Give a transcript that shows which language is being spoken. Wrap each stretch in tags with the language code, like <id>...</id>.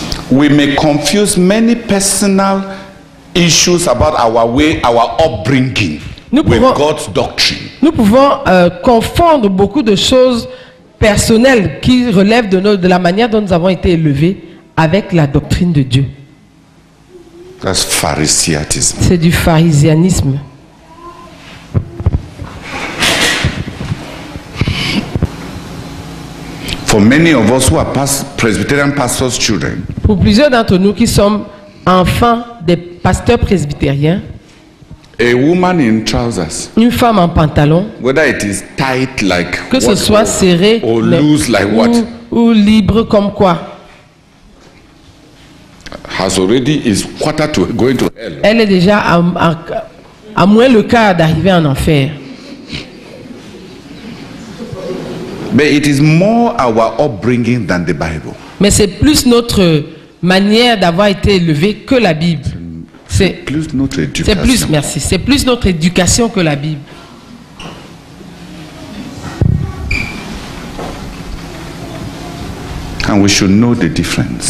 <en>We may confuse many personal issues about our way, our upbringing, with God's doctrine.</en> <fr>Nous pouvons confondre beaucoup de choses personnelles qui relèvent de la manière dont nous avons été élevés avec la doctrine de Dieu.</fr> <en>That's pharisaism.</en> <fr>C'est du pharisianisme.</fr> <en>For many of us who are Presbyterian pastors' children.</en> <fr>Pour plusieurs d'entre nous qui sommes enfants des pasteurs presbytériens.</fr> <en>A woman in trousers.</en> <fr>Une femme en pantalon.</fr> <en>Whether it is tight like.</en> <fr>Que ce soit serré.</fr> <en>Or loose like what.</en> <fr>Ou libre comme quoi.</fr> <en>Has already is quarter to going to hell.</en> <fr>Elle est déjà à moins le quart d'arriver en enfer.</fr> <en>But it is more our upbringing than the Bible.</en> <fr>Mais c'est plus notre manière d'avoir été élevé que la Bible. C'est plus notre éducation. C'est plus, merci. C'est plus notre éducation que la Bible.</fr> <en>And we should know the difference.</en>